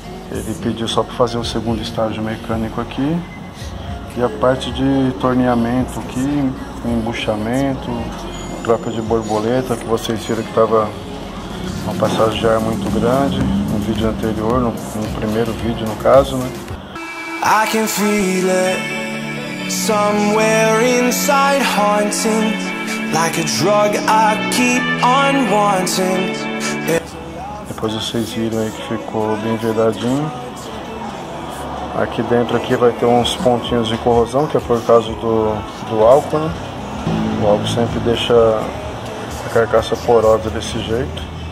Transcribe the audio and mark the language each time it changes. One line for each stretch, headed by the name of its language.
Portuguese: Ele pediu só para fazer um segundo estágio mecânico aqui. E a parte de torneamento aqui, embuchamento, troca de borboleta, que vocês viram que estava uma passagem de ar muito grande no vídeo anterior, no primeiro vídeo no caso, né?
English: I can feel it somewhere inside haunting, like a drug I keep on wanting.
Portuguese: Depois vocês viram aí que ficou bem verdadeinho. Aqui dentro aqui vai ter uns pontinhos de corrosão, que é por causa do álcool, né? O álcool sempre deixa a carcaça porosa desse jeito.